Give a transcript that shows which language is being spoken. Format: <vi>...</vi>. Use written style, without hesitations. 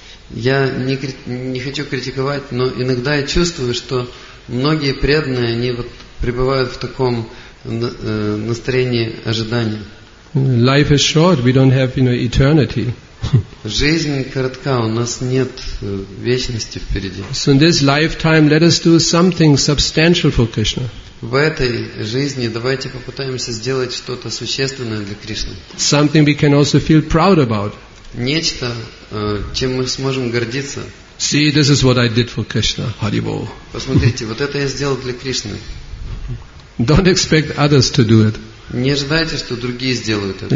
<ru>Я не хочу критиковать, но иногда я чувствую, что многие преданные, они вот пребывают в таком настроении ожидания.</ru> <en>Life is short, we don't have, you know, eternity.</en> <ru>Жизнь коротка, у нас нет вечности впереди.</ru> <en>So in this lifetime, let us do something substantial for Krishna.</en> <ru>В этой жизни давайте попытаемся сделать что-то существенное для Кришны.</ru> <en>Something we can also feel proud about.</en> <ru>Нечто, чем мы сможем гордиться.</ru> <en>See, this is what I did for Krishna, Haribol.</en> <ru>Посмотрите, вот это я сделал для Кришны.</ru> <en>Don't expect others to do it.</en> <ru>Не ожидайте, что другие сделают это.</ru>